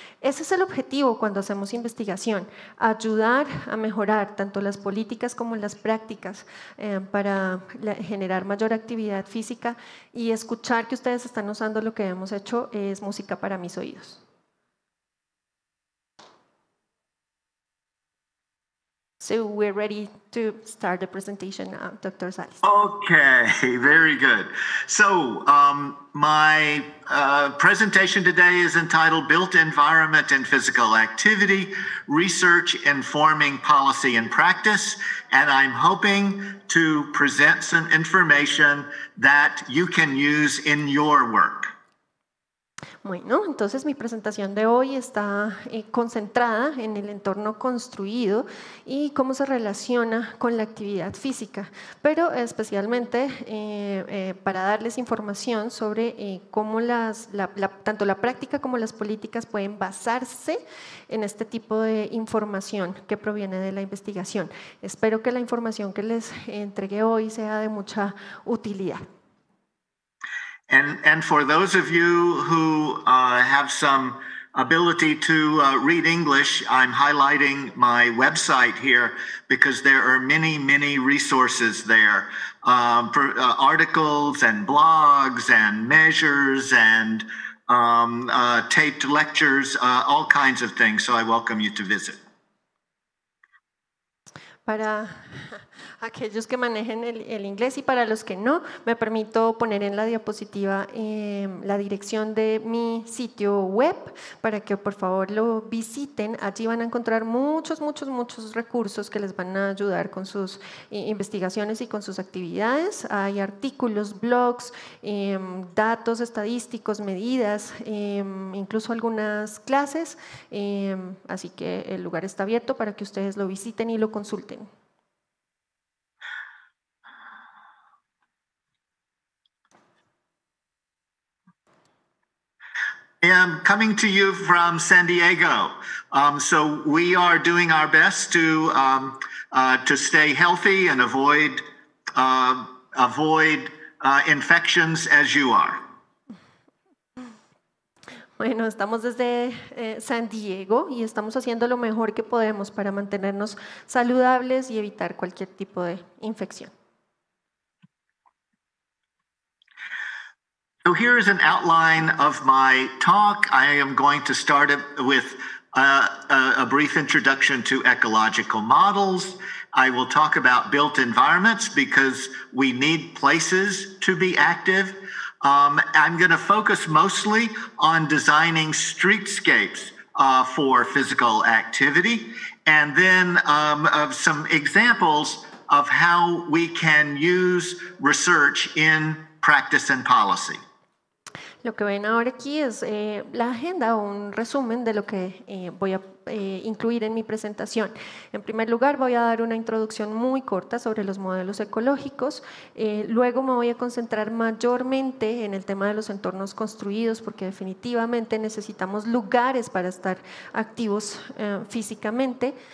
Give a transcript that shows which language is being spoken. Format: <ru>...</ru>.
<es>Ese es el objetivo cuando hacemos investigación, ayudar a mejorar tanto las políticas como las prácticas para generar mayor actividad física, y escuchar que ustedes están usando lo que hemos hecho es música para mis oídos.</es> <en>So we're ready to start the presentation now, Dr. Salas. Okay, very good. So my presentation today is entitled Built Environment and Physical Activity, Research Informing Policy and Practice. And I'm hoping to present some information that you can use in your work.</en> <es>Bueno, entonces mi presentación de hoy está concentrada en el entorno construido y cómo se relaciona con la actividad física, pero especialmente para darles información sobre cómo tanto la práctica como las políticas pueden basarse en este tipo de información que proviene de la investigación. Espero que la información que les entregué hoy sea de mucha utilidad.</es> <en>And for those of you who have some ability to read English, I'm highlighting my website here because there are many, many resources there, articles and blogs and measures and taped lectures, all kinds of things. So I welcome you to visit.</en> <es>Para aquellos que manejen el inglés y para los que no, me permito poner en la diapositiva la dirección de mi sitio web para que por favor lo visiten. Allí van a encontrar muchos, muchos, muchos recursos que les van a ayudar con sus investigaciones y con sus actividades. Hay artículos, blogs, datos estadísticos, medidas, incluso algunas clases. Así que el lugar está abierto para que ustedes lo visiten y lo consulten.</es> <en>I am coming to you from San Diego. So we are doing our best to stay healthy and avoid infections as you are.</en> <es>Bueno, estamos desde San Diego y estamos haciendo lo mejor que podemos para mantenernos saludables y evitar cualquier tipo de infección.</es> <en>So here is an outline of my talk. I am going to start with a brief introduction to ecological models. I will talk about built environments because we need places to be active. I'm going to focus mostly on designing streetscapes for physical activity, and then of some examples of how we can use research in practice and policy.</en> <es>Lo que ven ahora aquí es la agenda o un resumen de lo que voy a incluir en mi presentación. En primer lugar, voy a dar una introducción muy corta sobre los modelos ecológicos. Luego me voy a concentrar mayormente en el tema de los entornos construidos, porque definitivamente necesitamos lugares para estar activos físicamente.</es>